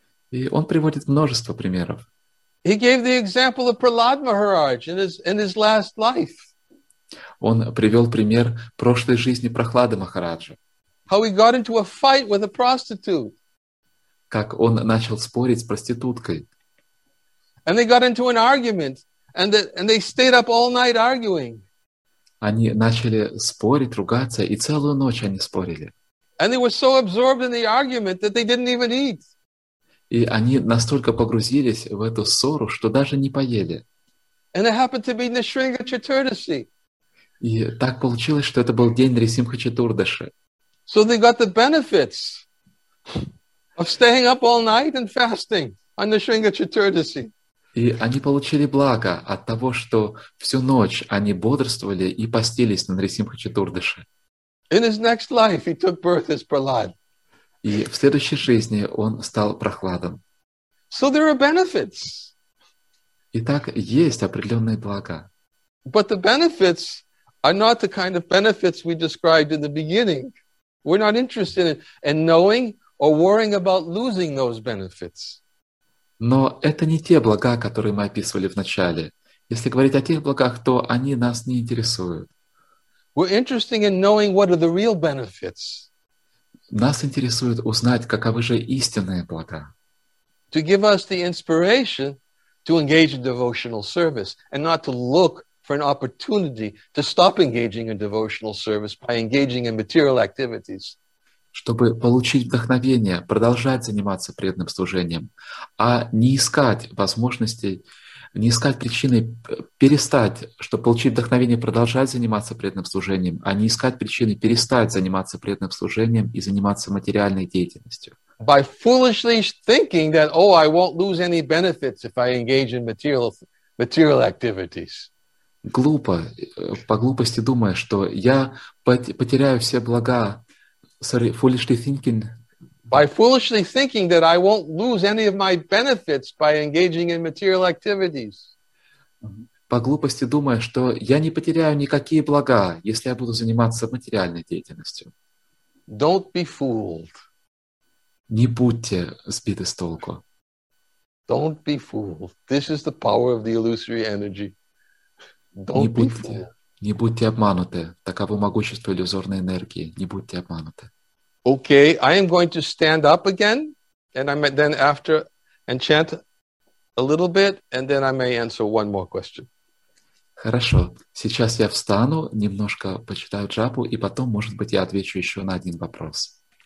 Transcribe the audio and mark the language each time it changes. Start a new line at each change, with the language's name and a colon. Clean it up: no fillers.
Russian: И он приводит множество примеров.
English: He gave the example of Prahlad Maharaj in his last life.
Russian: Он привел пример прошлой жизни Прохлады Махараджа.
English: How he got into a fight with a prostitute.
Russian: Как он начал спорить с проституткой.
English: And they got into an argument. And they stayed up all night arguing.
Russian: Они начали спорить, ругаться, и целую ночь они спорили.
English: And they were so absorbed in the argument that they didn't even eat.
Russian: И они настолько погрузились в эту ссору, что даже не поели.
English: And it happened to be Nrisimha Chaturdashi.
Russian: И так получилось, что это был день Нрисимха Чатурдаши.
English: So they got the benefits of staying up all night and fasting on Nrisimha Chaturdashi.
Russian: И они получили благо от того, что всю ночь они бодрствовали и постились на Нрисимха Чатурдаши.
English: In his next life, he took birth as Prahlad.
Russian: И в следующей жизни он стал Прохладом.
English: So there are benefits.
Russian: Итак, есть определенные блага.
English: But the benefits are not the kind of benefits we described in the beginning. We're not interested in knowing or worrying about losing those benefits.
Russian: Но это не те блага, которые мы описывали в начале. Если говорить о тех благах, то они нас не интересуют.
English: We're interested in knowing what are the real benefits.
Russian: Нас интересует узнать, каковы же истинные блага.
English: To give us the inspiration to engage in devotional service and not to look for an opportunity to stop engaging in devotional service by engaging in material activities.
Russian: Чтобы получить вдохновение, продолжать заниматься преданным служением, а не искать возможностей, не искать причины перестать, чтобы получить вдохновение, продолжать заниматься преданным служением, а не искать причины перестать заниматься преданным служением и заниматься материальной деятельностью.
English: By foolishly thinking that, oh, I won't lose any benefits if I engage in material activities.
Russian: Глупо, по глупости думая, что я потеряю все блага.
English: Sorry, foolishly thinking. By foolishly thinking that I won't lose any of my benefits by engaging in material activities.
Russian: По глупости думая, что я не потеряю никакие блага, если я буду заниматься материальной деятельностью.
English: Don't be fooled.
Russian: Не будьте сбиты с толку.
English: Don't be fooled. This is the power of the illusory energy. Don't be fooled.
Russian: Не будьте обмануты. Таково могущество иллюзорной энергии. Не будьте обмануты.
English: Okay, I am going to stand up again, and I may then after chant a little bit, and then I may answer one more question.
Russian: Хорошо. Сейчас я встану, немножко почитаю джапу, и потом, может быть, я отвечу еще на один вопрос.